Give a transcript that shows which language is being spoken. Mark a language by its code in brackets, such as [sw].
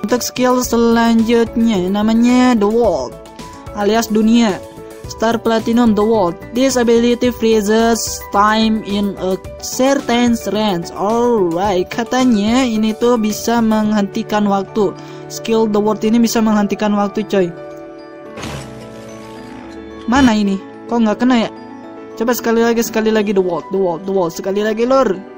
[id] Untuk skill selanjutnya namanya The World, alias dunia. Star Platinum The World. [en] This ability freezes time in a certain range. [id] Alright, katanya ini tuh bisa menghentikan waktu. Skill The World ini bisa menghentikan waktu, coy. Mana ini? Kok nggak kena ya? Coba sekali lagi The World. Sekali lagi, lur.